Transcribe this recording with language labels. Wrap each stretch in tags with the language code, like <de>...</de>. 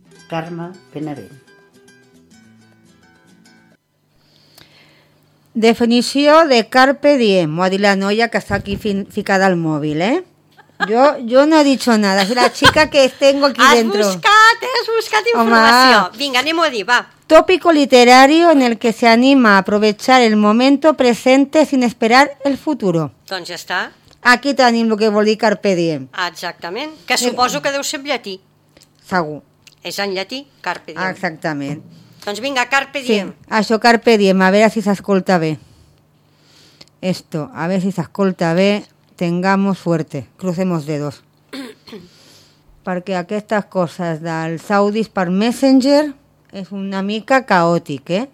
<ca>Carme Benavent. Definició de carpe diem, m'ho ha dit la noia que està aquí ficada al mòbil, Jo</ca> <es>no he dit nada,</es> <ca>és la xica que</ca> <es>tengo aquí dentro.</es> <ca>Has buscat informació. Home. Vinga, anem a dir, va.</ca> <es>Tópico literario en el que se anima a aprovechar el momento presente sin esperar el futuro.</es> <ca>Doncs ja està. Aquí tenim el que vol dir carpe diem. Exactament, que suposo que deu ser en llatí. Segur. És en llatí, carpe diem. Exactament. Doncs vinga, carpe diem. Sí, això carpe diem, a veure si s'escolta bé. Esto, a veure si s'escolta bé.</ca> <es>Tengamos suerte, crucemos dedos.</es> <ca>Perquè aquestes coses del Saudis per Messenger és una mica caòtic,</ca>